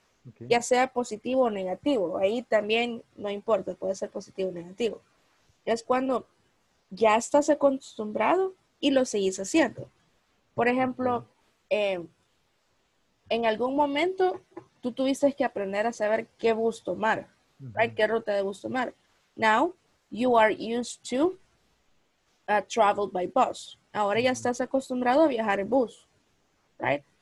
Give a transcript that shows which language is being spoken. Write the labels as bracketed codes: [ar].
[es] Okay. Ya sea positivo o negativo, ahí también no importa, puede ser positivo o negativo. Es cuando ya estás acostumbrado y lo seguís haciendo. Por ejemplo, en algún momento tú tuviste que aprender a saber qué bus tomar, uh-huh. right? ¿Qué ruta de bus tomar? [en] Now, you are used to travel by bus. [es] Ahora ya estás acostumbrado a viajar en bus, right?